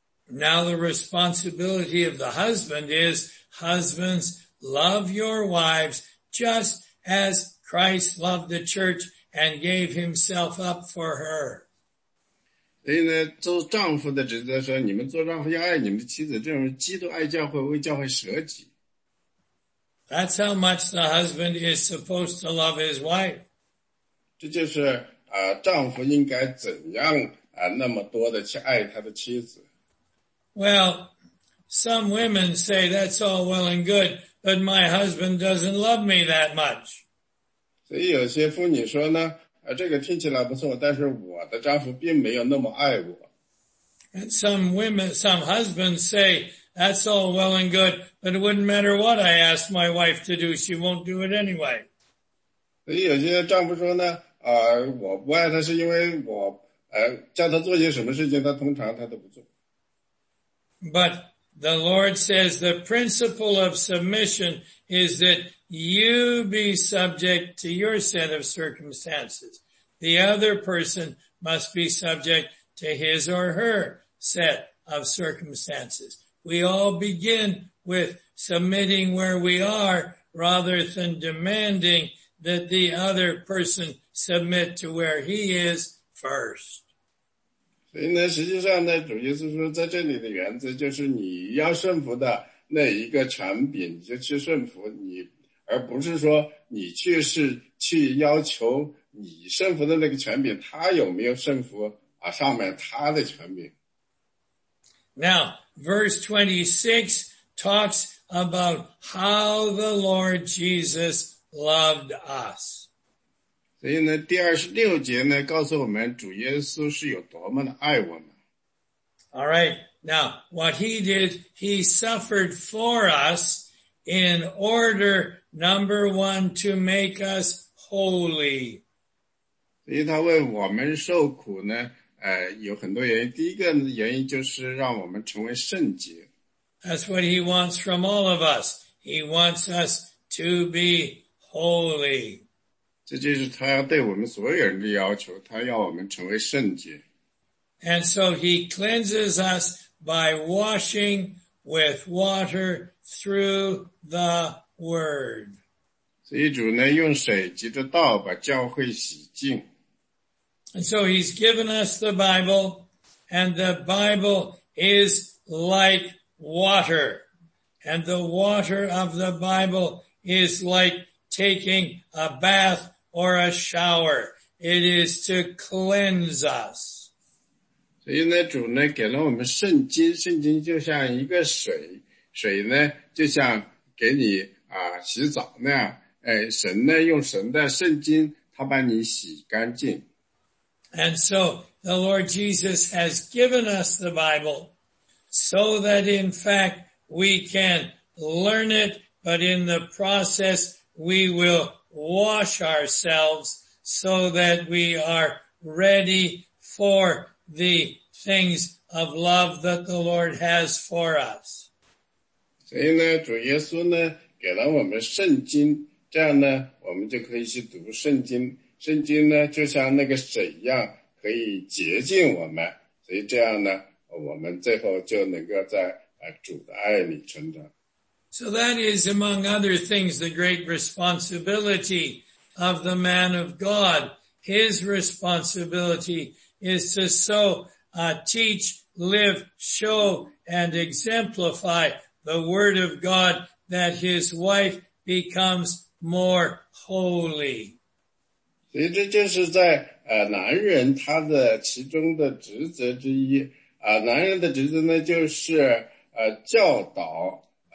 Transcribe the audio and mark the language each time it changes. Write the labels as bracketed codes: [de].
[en] Now the responsibility of the husband is, husbands, love your wives just as Christ loved the church and gave himself up for her. [zh] 所以呢，做丈夫的职责说，你们做丈夫要爱你们的妻子，正如基督爱教会，为教会舍己。 [en] That's how much the husband is supposed to love his wife. [zh] 这就是丈夫应该怎样那么多的去爱他的妻子。 [en] Well, some women say that's all well and good, but my husband doesn't love me that much. [zh] 所以有些妇女说呢，这个听起来不错，但是我的丈夫并没有那么爱我。 [en] And some husbands say that's all well and good, but it wouldn't matter what I ask my wife to do, she won't do it anyway. [zh] 所以有些丈夫说呢，我不爱她是因为我叫她做些什么事情，她通常她都不做。 [en] But the Lord says the principle of submission is that you be subject to your set of circumstances. The other person must be subject to his or her set of circumstances. We all begin with submitting where we are rather than demanding that the other person submit to where he is first. [zh] 所以呢，实际上呢，主耶稣说在这里的原则就是你要顺服的那一个权柄就去顺服你，而不是说你去是去要求你顺服的那个权柄他有没有顺服啊上面他的权柄。 [en] Now, verse 26 talks about how the Lord Jesus loved us. [zh] 所以呢，第26节呢，告诉我们主耶稣是有多么的爱我们。 [en] Alright, now, what he did, he suffered for us in order, number one, to make us holy. [zh] 所以他为我们受苦呢，有很多原因。第一个原因就是让我们成为圣洁。 [en] That's what he wants from all of us. He wants us to be holy. [zh] 这就是他要对我们所有人的要求，他要我们成为圣洁。 [en] And so he cleanses us by washing with water through the word. [zh] 所以主呢，用水藉着道把教会洗净。 [en] And so he's given us the Bible, and the Bible is like water. And the water of the Bible is like taking a bath. Or a shower. It is to cleanse us. [zh] 所以呢，主呢给了我们圣经，圣经就像一个水，水呢就像给你洗澡那样。哎，神呢用神的圣经，他把你洗干净。 [en] And so the Lord Jesus has given us the Bible, so that in fact we can learn it, but in the process we will. Wash ourselves so that we are ready for the things of love that the Lord has for us. [zh] 所以呢，主耶稣呢，给了我们圣经，这样呢，我们就可以去读圣经。圣经呢，就像那个水一样，可以洁净我们。所以这样呢，我们最后就能够在主的爱里成长。 [en] So that is, among other things, the great responsibility of the man of God. His responsibility is to teach, live, show, and exemplify the word of God that his wife becomes more holy. [zh] 所以这就是在男人他的其中的职责之一。男人的职责呢就是教导。